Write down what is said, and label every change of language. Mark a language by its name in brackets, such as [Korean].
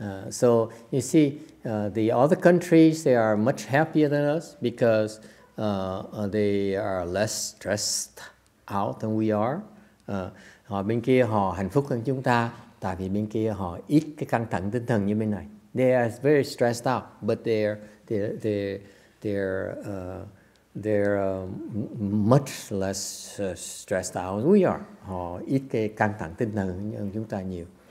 [English] So you see, the other countries, they are much happier than us because they are less stressed out than we are. [Vietnamese] Họ bên kia họ hạnh phúc hơn chúng ta, tại vì bên kia họ ít cái căng thẳng tinh thần như bên này. [English] They are very stressed out, but they're much less stressed out than we are. [Vietnamese] Họ ít cái căng thẳng tinh thần hơn chúng ta nhiều.